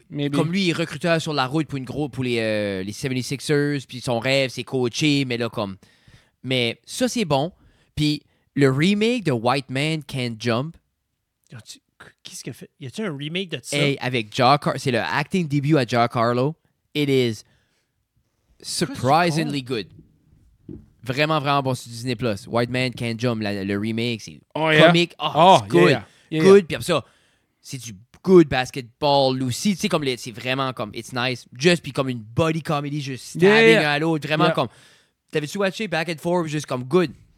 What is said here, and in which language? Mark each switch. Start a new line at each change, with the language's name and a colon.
French: Comme lui, il est recruteur sur la route pour les 76ers, puis son rêve, c'est coacher, mais là, comme... Mais ça, c'est bon. Puis le remake de White Man Can't Jump... Qu'est-ce qu'il a fait? Y a-t-il un remake de ça? Hey, avec c'est le
English: acting debut
French: à Jack Harlow.
English: It is surprisingly good.
French: Vraiment, vraiment bon sur Disney+. White Man Can't Jump, le remake, c'est comique.
English: Yeah. Oh, it's good. Good,
French: puis après ça, c'est du...
English: good basketball
French: aussi, tu sais, comme c'est vraiment comme
English: it's nice, just
French: puis comme une
English: body comedy,
French: juste
English: stabbing
French: un à l'autre, vraiment comme t'avais-tu watché
English: back and forth,
French: juste comme
English: good.